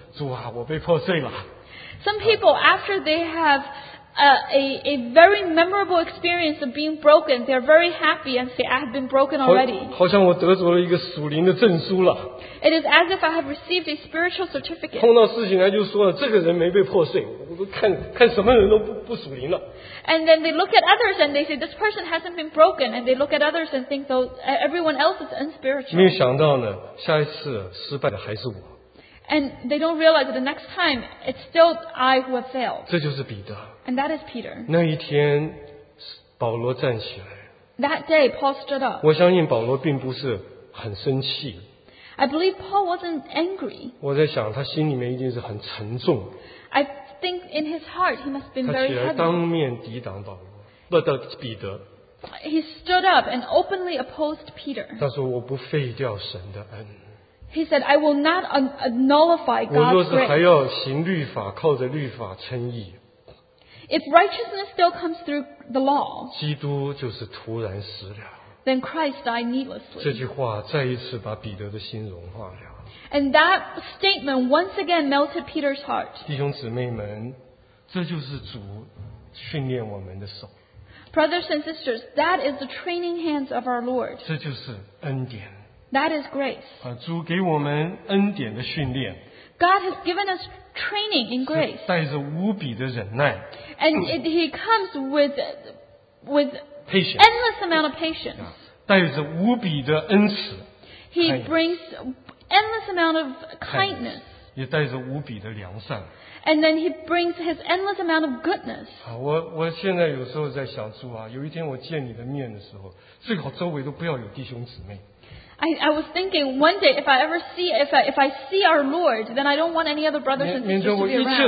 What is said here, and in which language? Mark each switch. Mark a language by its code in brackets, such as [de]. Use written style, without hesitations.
[zh] 有的人有过一次刻骨铭心失败的经历，就很高兴，主啊，我被破碎了。 [en] Some people after they have a very memorable experience of being broken, they are very happy and say, I have been broken already. [zh] 好像我得着了一个属灵的证书了。 [en] It is as if I have received a spiritual certificate. [zh] 碰到事情来就说了，这个人没被破碎，我都看什么人都不属灵了。 [en] And then they look at others and they say, this person hasn't been broken, and they look at others and think, everyone else is unspiritual. [zh] 没有想到呢，下一次失败的还是我。 [en] And they don't realize that the next time, it's still I who have failed. [zh] 这就是彼得。 [en] And that is Peter. [zh] 那一天，保罗站起来。 [en] That day, Paul stood up. [zh] 我相信保罗并不是很生气。 [en] I believe Paul wasn't angry. [zh] 我在想，他心里面一定是很沉重。 [en] I think in his heart he must have been very heavy. [zh] 他起来当面抵挡保罗，不，彼得。 [en] He stood up and openly opposed Peter. [zh] 他说：“我不废掉神的恩。” [en] He said, I will not nullify God's grace. [zh] 我若是还要行律法，靠着律法称义。 [en] If righteousness still comes through the law, [zh] 基督就是突然死了, [en] then Christ died needlessly. [zh] 这句话再一次把彼得的心融化了。 [en] And that statement once again melted Peter's heart. [zh] 弟兄姊妹们, 这就是主训练我们的手。 [en] Brothers and sisters, that is the training hands of our Lord. [zh] 这就是恩典。 [en] That is grace. [zh] 主给我们恩典的训练。 [en] God has given us training in grace. [zh] 带着无比的忍耐。 [en] And he comes with endless amount of patience. [zh] 带着无比的恩慈。 [en] He brings endless amount of kindness. [zh] 也带着无比的良善。 [en] And then he brings his endless amount of goodness. [zh] 我现在有时候在想说啊，有一天我见你的面的时候，最好周围都不要有弟兄姊妹。 [en] I was thinking one day if I ever see if I see our Lord, then I don't want any other brothers and sisters to be around.